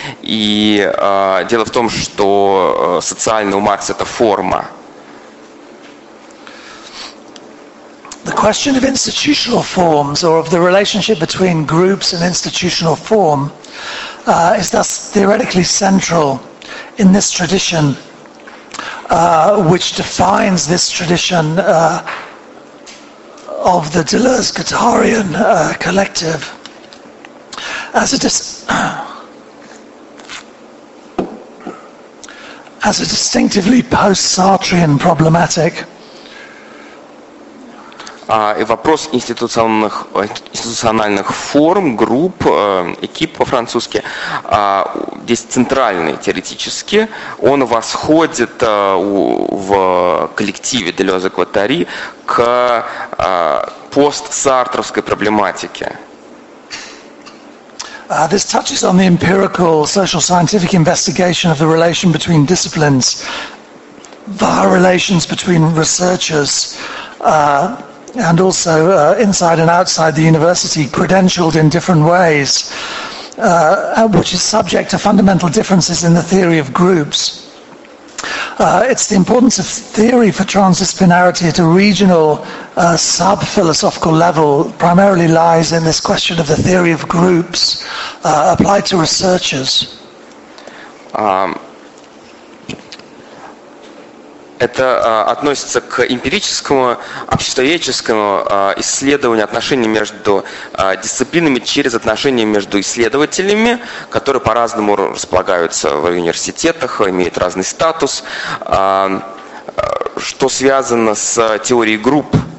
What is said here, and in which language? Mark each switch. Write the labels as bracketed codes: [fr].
[ru] И дело в том, что социальный у Маркса – это форма. [en] The question of institutional forms or of the relationship between groups and institutional form is thus theoretically central in this tradition, which defines this tradition of the Deleuze-Guattarian collective as a as a distinctively post-Sartrean problematic. [ru] И вопрос институциональных форм, групп, экип по-французски, здесь центральный теоретически, он восходит в коллективе Делёза-Гуаттари к постсартровской проблематике. [en] This touches on the empirical social-scientific investigation of the relation between disciplines via relations between researchers, and also inside and outside the university, credentialed in different ways, which is subject to fundamental differences in the theory of groups. It's the importance of theory for transdisciplinarity at a regional sub-philosophical level primarily lies in this question of the theory of groups applied to researchers. [ru] Это относится к эмпирическому, обществоведческому исследованию отношений между дисциплинами через отношения между исследователями, которые по-разному располагаются в университетах, имеют разный статус, что связано с теорией групп